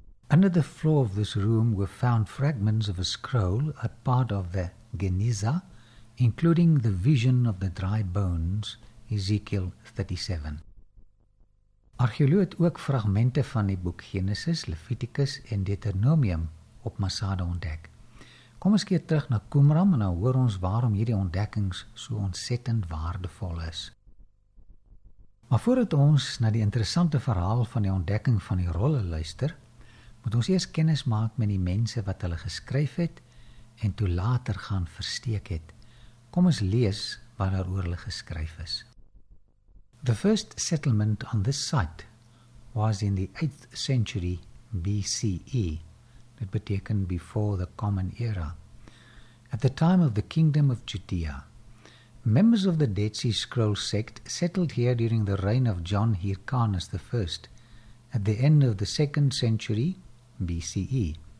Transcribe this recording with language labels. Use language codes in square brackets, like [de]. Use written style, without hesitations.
[en] Under the floor of this room were found fragments of a scroll, a part of the Geniza, including the vision of the dry bones, Ezekiel 37. [af] Archeoloog het ook fragmente van die boek Genesis, Leviticus en Deuteronomium op Masada ontdek. Kom ons keer terug na Qumran en nou hoor ons waarom hierdie ontdekkings so ontsettend waardevol is. Maar voordat ons na die interessante verhaal van die ontdekking van die rolle luister, moet ons eers kennis maak met die mense wat hulle geskryf het en toe later gaan versteek het. Kom ons lees wat daar oor hulle geskryf is. [en] The first settlement on this site was in the 8th century BCE, that betekent before the Common Era, at the time of the Kingdom of Judea. Members of the Dead Sea Scroll sect settled here during the reign of John Hyrcanus I at the end of the 2nd century BCE.